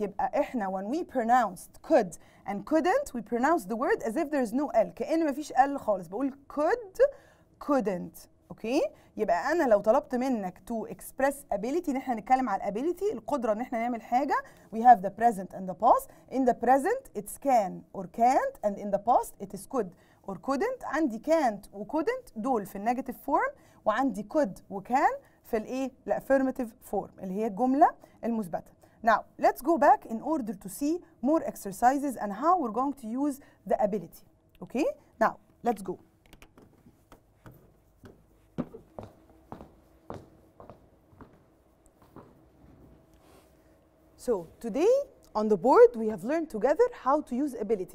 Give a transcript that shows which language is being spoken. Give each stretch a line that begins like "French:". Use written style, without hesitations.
Arabic: يبقى احنا
English: when we pronounced could and couldn't we pronounce the word as if there's no L،
Arabic: كأن مفيش L خالص. بقول could couldn't. اوكي يبقى انا لو طلبت منك
English: to express ability،
Arabic: ان احنا نتكلم على ability، القدره ان احنا نعمل حاجه،
English: we have the present and the past. in the present it's can or can't and in the past it is could or couldn't.
Arabic: عندي can't و couldn't دول في النيجاتيف فورم، وعندي could و can في الايه؟ الافيرماتيف فورم اللي هي الجمله المثبته.
English: now let's go back in order to see more exercises and how we're going to use the ability. okay now let's go. so today on the board we have learned together how to use ability.